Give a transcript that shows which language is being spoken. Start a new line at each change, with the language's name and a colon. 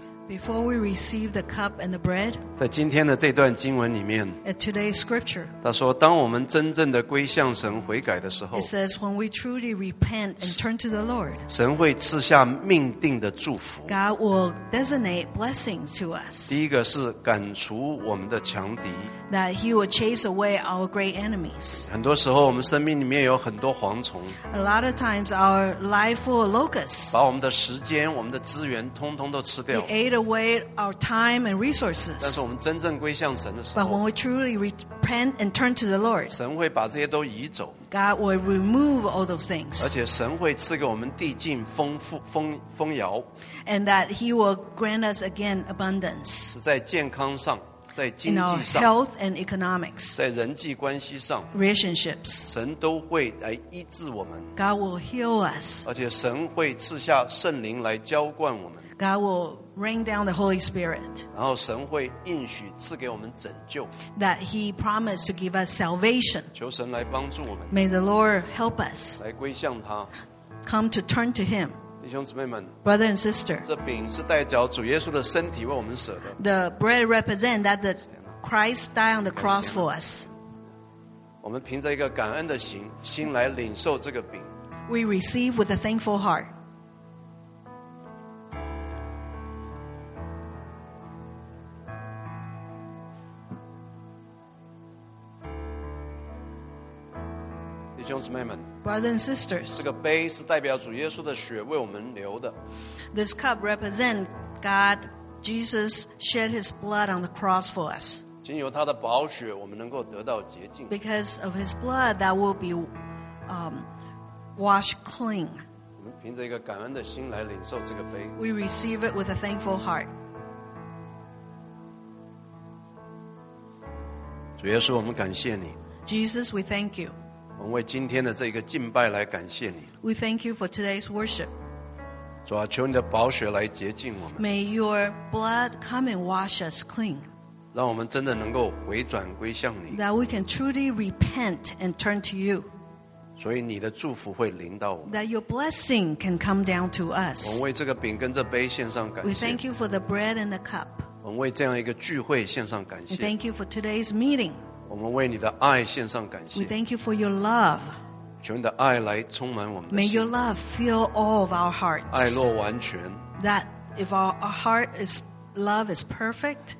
English: Before we receive the cup and the bread,
Chinese: 在今天的这段经文里面
English: at today's scripture,
Chinese: 他说当我们真正的归向神悔改的时候
English: It says when we truly repent and turn to the Lord,
Chinese: 神会赐下命定的祝福
English: God will designate blessings to us.
Chinese: 第一个是赶除我们的强敌
English: That he will chase away our great enemies.
Chinese: 很多时候我们生命里面有很多蝗虫
English: A lot of times our life full of locusts.
Chinese: 把我们的时间我们的资源通通都吃掉
English: away our time and resources.
Chinese: 但是我们真正归向神的时候
English: But when we truly repent and turn to the Lord,
Chinese: 神会把这些都移走
English: God will remove all those things.
Chinese: 而且神会赐给我们地境丰富丰饶
English: And that he will grant us again abundance.
Chinese: 在健康上在经济上
English: In our health and economics.
Chinese: 在人际关系上
English: Relationships.
Chinese: 神都会来医治我们
English: God will heal us.
Chinese: 而且神会赐下圣灵来浇灌我们
English: God will rain down the Holy Spirit.
Chinese: 然后神会应许赐给我们拯救
English: That he promised to give us salvation.
Chinese: 求神来帮助我们
English: May the Lord help us.
Chinese: 来归向他
English: Come to turn to him.
Chinese: 弟兄姊妹们
English: Brother and sister.
Chinese: 这饼是代表主耶稣的身体为我们舍的
English: The bread represents that the Christ died on the cross for us.
Chinese: 我们凭着一个感恩的心来领受这个饼
English: We receive with a thankful heart.
Chinese: 弟兄姊妹们
English: Brothers and sisters,
Chinese: 这个杯是代表主耶稣的血为我们流的
English: This cup represents God Jesus shed his blood on the cross for us
Chinese: 经由他的宝血我们能够得到洁净
English: Because of his blood that will be washed clean
Chinese: 我们凭着一个感恩的心来领受这个杯
English: We receive it with a thankful heart
Chinese: 主耶稣我们感谢你
English: Jesus we thank you
Chinese: 我们为今天的这个敬拜来感谢你
English: We thank you for today's worship
Chinese: 主啊求你的宝血来洁净我们
English: May your blood come and wash us clean
Chinese: 让我们真的能够回转归向你
English: That we can truly repent and turn to you
Chinese: 所以你的祝福会临到我们
English: That your blessing can come down to us
Chinese: 我们为这个饼跟这杯献上感谢
English: We thank you for the bread and the cup
Chinese: 我们为这样一个聚会献上感谢
English: We thank you for today's meeting
Chinese: 我们为你的爱献上感谢
English: We thank you for your love
Chinese: 求你的爱来充满我们的心
English: May your love fill all of our hearts
Chinese: 爱若完全
English: That if our heart is love is perfect